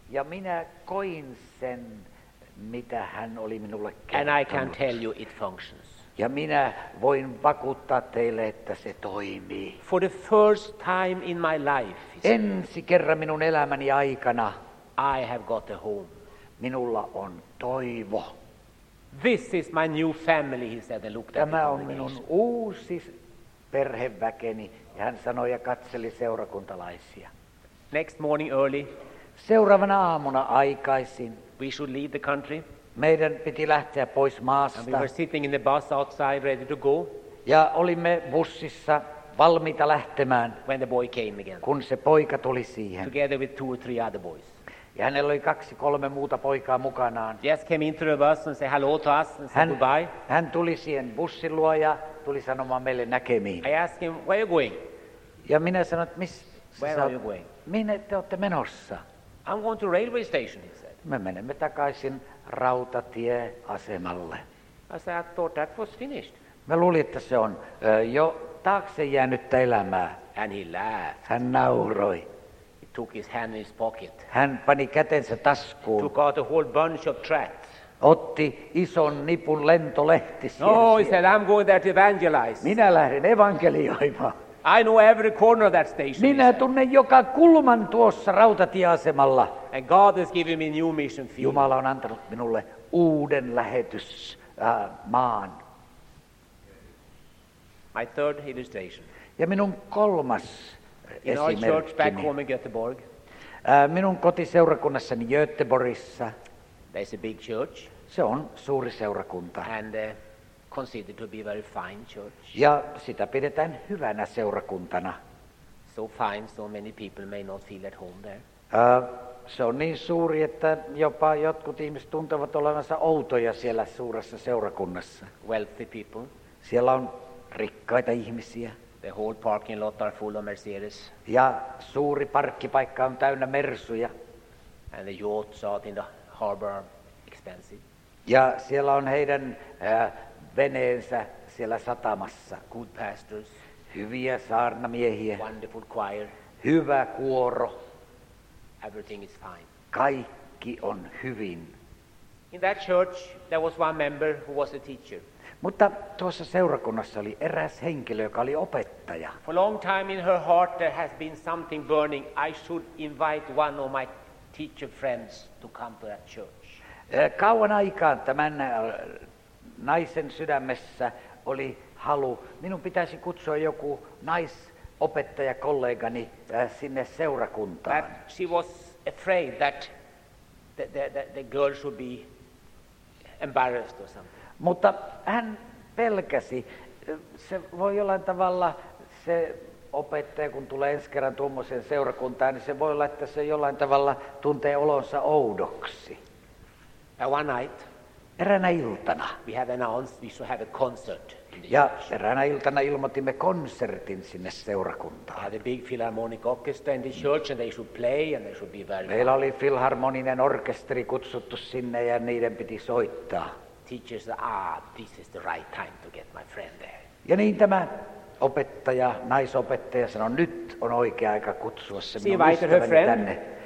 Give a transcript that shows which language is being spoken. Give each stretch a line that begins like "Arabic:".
Finnish: Ja minä koin sen, mitä hän oli minulle kertonut.
English: And I can tell you it functions.
Finnish: Ja minä voin vakuuttaa teille, että se toimii.
English: For the first time in my life.
Finnish: Ensi kerran minun elämäni aikana.
English: I have got a home.
Finnish: Minulla on toivo.
English: This is my new family, he said, and looked at
Finnish: me. Tämä on minun uusi perheväkeni. Ja hän sanoi ja katseli seurakuntalaisia.
English: Next morning early.
Finnish: Seuraavana aamuna aikaisin.
English: We should leave the country.
Finnish: Meidän piti lähteä pois maasta.
English: And we were sitting in the bus outside, ready to go.
Finnish: Ja olimme bussissa valmiita lähtemään.
English: When the boy came again.
Finnish: Kun se poika tuli siihen.
English: Together with 2 or 3 other boys.
Finnish: Ja hänellä oli 2-3 muuta poikaa mukanaan.
English: Just came into the bus and said hello to us and said goodbye.
Finnish: Hän tuli siihen bussin luo ja tuli sanomaan meille näkemiin.
English: I asked him, where are you going?
Finnish: Ja minä sanoin,
English: where are you going?
Finnish: minne te olette menossa?
English: I'm going to railway station, he said.
Finnish: Me menemme takaisin rautatieasemalle.
English: I said, I thought that was finished.
Finnish: Mä luulin, että se on jo taakse jäänyt elämää.
English: And he laughed.
Finnish: Hän nauroi.
English: He took his hand in his pocket.
Finnish: Hän pani kätensä taskuun.
English: Took out a whole bunch of tracts.
Finnish: Otti ison nipun lentolehtisiä.
English: No, he said, I'm going there to evangelize.
Finnish: Minä lähden evankelioimaan.
English: I know every corner of that station.
Finnish: Minä tunnen joka kulman tuossa rautatieasemalla.
English: And God has given me a new mission field.
Finnish: Jumala on antanut minulle uuden lähetys maan.
English: My third illustration.
Finnish: Ja minun kolmas
English: esimerkkini. In our church back home in Göteborg.
Finnish: Minun kotiseurakunnassani Göteborgissa.
English: There's a big church.
Finnish: Se on suuri seurakunta.
English: And considered to be a very fine church.
Finnish: Ja sitä pidetään hyvänä seurakuntana.
English: So fine, so many people may not feel at home there.
Finnish: Se on niin suuri, että jopa jotkut ihmiset tuntevat olevansa outoja siellä suuressa seurakunnassa.
English: Wealthy people.
Finnish: Siellä on rikkaita ihmisiä.
English: The whole parking lot are full of Mercedes.
Finnish: Ja suuri parkkipaikka on täynnä Mersuja.
English: And the yachts out in the harbor are expensive.
Finnish: Ja siellä on heidän veneensä siellä satamassa.
English: Good pastors.
Finnish: Hyviä saarnamiehiä.
English: Wonderful choir.
Finnish: Hyvä kuoro.
English: Everything is fine.
Finnish: Kaikki on hyvin.
English: In that church there was one member who was a teacher.
Finnish: Mutta tuossa seurakunnassa oli eräs henkilö, joka oli opettaja.
English: For a long time in her heart there has been something burning. I should invite one of my teacher friends to come to that church.
Finnish: Kauan aikaan tämän naisen sydämessä oli halu. Minun pitäisi kutsua joku naisopettajakollegani sinne seurakuntaan.
English: But she was afraid that the girl should be embarrassed or something.
Finnish: Mutta hän pelkäsi, se voi jollain tavalla, se opettaja kun tulee ensi kerran tuommoiseen seurakuntaan, niin se voi olla, että se jollain tavalla tuntee olonsa oudoksi. Eräänä iltana.
English: We have announced we should have a concert.
Finnish: Ja eräänä iltana ilmoitimme konsertin sinne seurakuntaan.
English: Had a big philharmonic orchestra in the church and they should play and they should be very loud.
Finnish: Meillä oli filharmoninen orkesteri kutsuttu sinne ja niiden piti soittaa.
English: Teachers said, this is the right time to get my friend there.
Finnish: Ja niin tämä opettaja, naisopettaja sanoi, nyt on oikea aika kutsua se minun ystäväni tänne.